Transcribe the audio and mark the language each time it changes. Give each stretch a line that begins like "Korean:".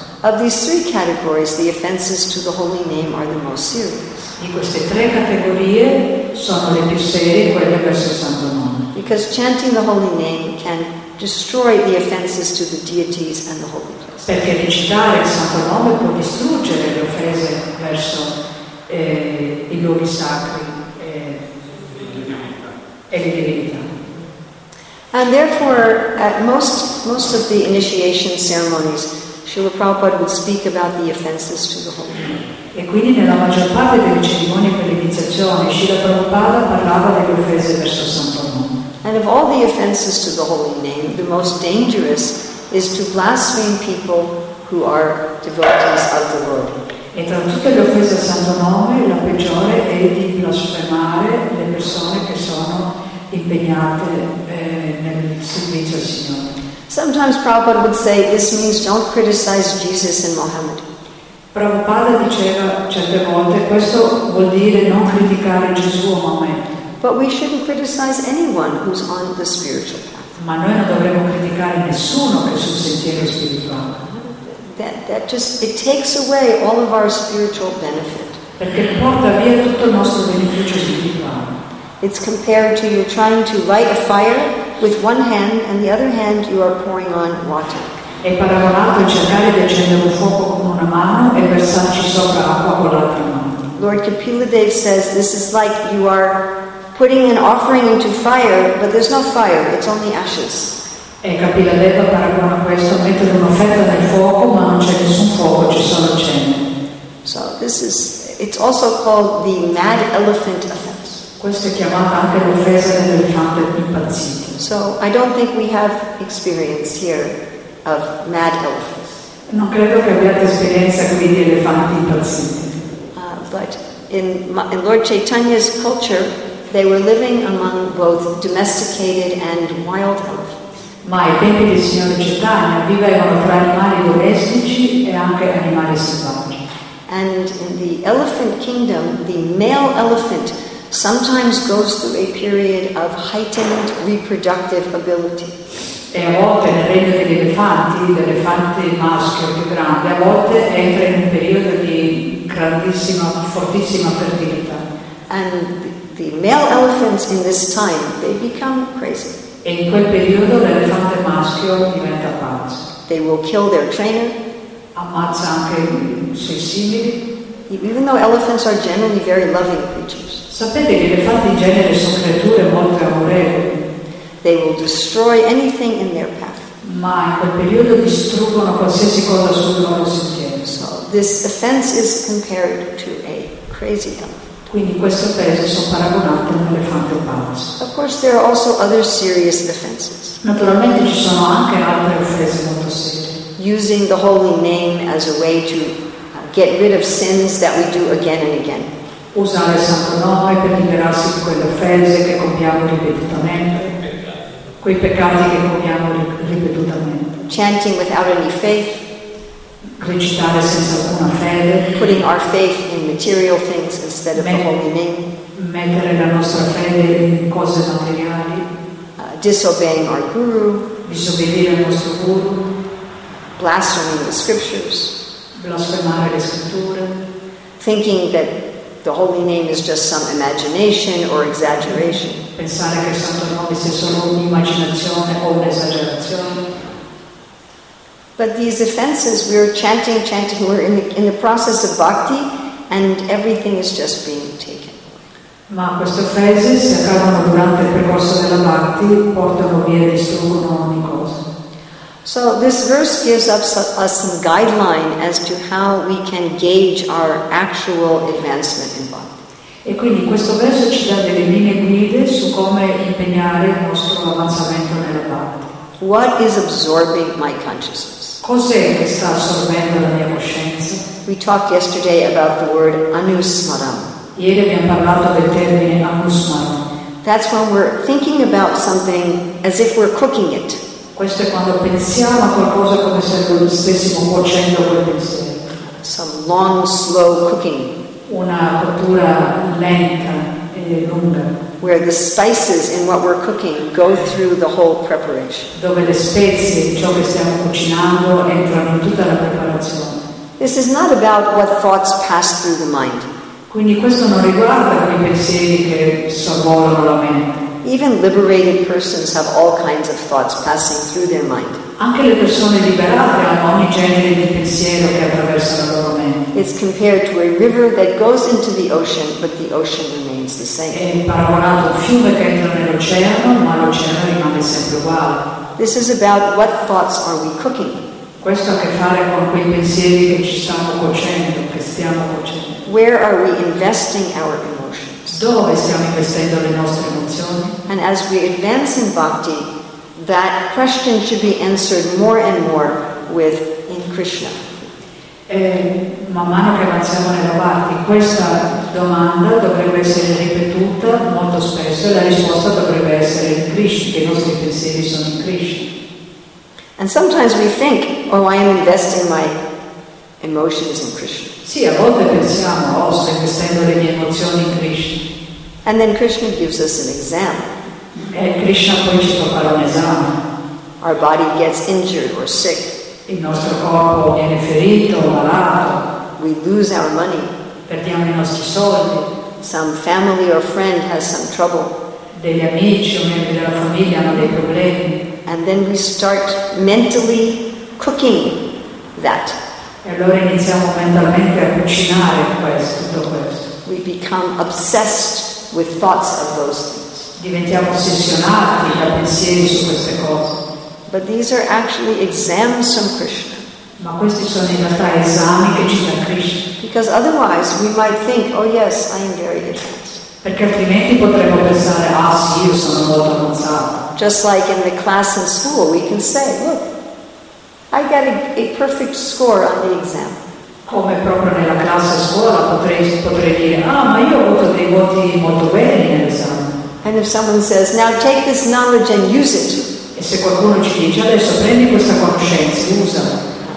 English: Of these 3 categories, the offenses to the holy name are the most serious.
Italian: In queste 3 categorie sono le più serie quelle verso il santo nome.
English: Because chanting the holy name can destroy the offenses to the deities and the holy place.
Italian: Perché recitare il santo nome può distruggere le offese verso I luoghi sacri e le divinità.
English: And therefore, at most of the initiation ceremonies, Srila Prabhupada would speak about the offenses to the whole group.
Italian: E quindi nella maggior parte delle cerimonie per l'iniziazione, Srila Prabhupada parlava delle offese verso il Santo Nome.
English: And of all the offenses to the holy name, the most dangerous is to blaspheme people who are devotees of the Lord.
Italian: E tra tutte le offese al Santo Nome, la peggiore è di blasfemare le persone che sono impegnate nel servizio al Signore.
English: Sometimes Prabhupada would say, this means don't criticize Jesus and Muhammad.
Italian: Prabhupada diceva certe volte, questo vuol dire non criticare Gesù o Mahomet.
English: But we shouldn't criticize anyone who's on the spiritual path.
Italian: Ma noi non dovremmo criticare nessuno che è sul sentiero spirituale.
English: That just, it takes away all of our spiritual benefit.
Italian: Perché porta via tutto il nostro beneficio spirituale.
English: It's compared to you trying to light a fire with one hand and the other hand you are pouring on water.
Italian: È paragonato a cercare di accendere un fuoco con una mano e versarci sopra acqua con l'altra mano.
English: Lord Kapiladeva says this is like you are putting an offering into fire, but there's no fire, it's only ashes.
Italian: E Kapiladeva paragona questo, mettere un'offerta nel fuoco ma non c'è nessun fuoco, ci sono cenere.
English: So this is, it's also called the mad elephant offense.
Italian: Questo è chiamato anche l'offesa dell'elefante impazzito.
English: So I don't think we have experience here of mad elephants.
Italian: Non credo che abbiate esperienza qui di elefanti impazziti.
English: But in Lord Chaitanya's culture, they were living among both domesticated and wild elephants.
Italian: Ma ai tempi del signor Chaitanya vivevano tra animali domestici e anche animali selvaggi.
English: And in the elephant kingdom, the male elephant sometimes goes through a period of heightened reproductive ability.
Italian: E a volte nel regno degli elefanti, l'elefante maschio più grande, a volte entra in un periodo di grandissima, fortissima fertilità.
English: And the male elephants in this time, they become crazy.
Italian: E in quel periodo l'elefante maschio diventa pazzo.
English: They will kill their trainer.
Italian: Ammazza anche i suoi simili.
English: Even though elephants are generally very loving creatures.
Italian: Sapete che gli elefanti in genere sono creature molto amorevoli.
English: They will destroy anything in their path.
Italian: Ma in quel periodo distruggono qualsiasi cosa sul loro sentiero.
English: So this offense is compared to a crazy elephant.
Italian: Quindi queste offese sono paragonate a un elefante pazzo.
English: Of course, there are also other serious offenses.
Italian: Naturalmente ci sono anche altre offese molto serie.
English: Using the holy name as a way to get rid of sins that we do again and again.
Italian: Usare il santo nome per liberarsi di quelle offese che compiamo ripetutamente, quei peccati che compiamo ripetutamente.
English: Chanting without any faith.
Italian: Recitare senza alcuna fede.
English: Putting our faith in material things instead of the holy name.
Italian: Mettere la nostra fede in cose materiali.
English: Disobeying our guru.
Italian: Disobbedire al nostro guru.
English: Blaspheming the scriptures.
Italian: Blasfemare le scritture.
English: Thinking that the holy name is just some imagination or exaggeration.
Italian: Pensare che il santo nome sia solo un'immaginazione o un'esagerazione.
English: But these offenses, we're chanting, we're in the process of bhakti, and everything is just being taken.
Italian: Ma queste offese si accadono durante il percorso della bhakti, portano via, distruggono ogni cosa.
English: So this verse gives us some guideline as to how we can gauge our actual advancement in bhakti.
Italian: E quindi questo verso ci dà delle linee guide su come impegnare il nostro avanzamento nella bhakti.
English: What is absorbing my consciousness?
Italian: Cos'è che sta assorbendo la mia coscienza?
English: We talked yesterday about the word anusmaram.
Italian: Ieri abbiamo parlato del termine anusmaram.
English: That's when we're thinking about something as if we're cooking it.
Italian: Questo è quando pensiamo a qualcosa come se lo stessimo cuocendo quel pensiero.
English: Some long, slow cooking.
Italian: Una cottura lenta e lunga.
English: Where the spices in what we're cooking go through the whole preparation.
Italian: Dove le spezie, ciò che stiamo cucinando, entrano in tutta la preparazione.
English: This is not about what thoughts pass through the mind.
Italian: Quindi questo non riguarda quei pensieri che sorvolano la mente.
English: Even liberated persons have all kinds of thoughts passing through their mind.
Italian: Anche le persone liberate hanno ogni genere di pensiero che attraversa la loro mente.
English: It's compared to a river that goes into the ocean, but the ocean remains the same.
Italian: È paragonato a un fiume che entra nell'oceano, ma lo cucina rimane sempre uguale.
English: This is about what thoughts are we cooking.
Italian: Questo ha a che fare con quei pensieri che ci stanno cuocendo, che stiamo cuocendo.
English: Where are we investing our emotions?
Italian: Dove stiamo investendo le nostre emozioni?
English: And as we advance in bhakti, that question should be answered more and more with in Krishna.
Italian: Man mano che avanziamo nella bhakti, questa domanda dovrebbe essere ripetuta molto spesso e la risposta dovrebbe essere in Krishna, che i nostri pensieri sono in Krishna.
English: And sometimes we think, oh, I am investing my emotions in Krishna.
Italian: Sì, a volte pensiamo, oh, sto investendo le mie emozioni in Krishna.
English: And then Krishna gives us an exam.
Italian: E Krishna poi ci può fare un esame.
English: Our body gets injured or sick.
Italian: Il nostro corpo viene ferito o malato.
English: We lose our money.
Italian: Perdiamo i nostri soldi.
English: Some family or friend has some trouble.
Italian: Degli amici o membri della famiglia hanno dei problemi.
English: And then we start mentally cooking that.
Italian: E allora iniziamo mentalmente a cucinare questo.
English: We become obsessed with thoughts of those things.
Italian: Diventiamo ossessionati da pensieri su queste cose.
English: But these are actually exams from Krishna.
Italian: Ma questi sono in realtà esami che ci dà Krishna.
English: Because otherwise we might think, oh yes, I am very advanced.
Italian: Perché altrimenti potremmo pensare, ah sì, io sono molto avanzato.
English: Just like in the class in school, we can say, look, I got a perfect score on the exam.
Italian: Come proprio nella classe a scuola potrei dire, ah, ma io ho avuto dei voti molto bene nell'esame.
English: And if someone says, now take this knowledge and use it.
Italian: E se qualcuno ci dice, adesso prendi questa conoscenza, usala.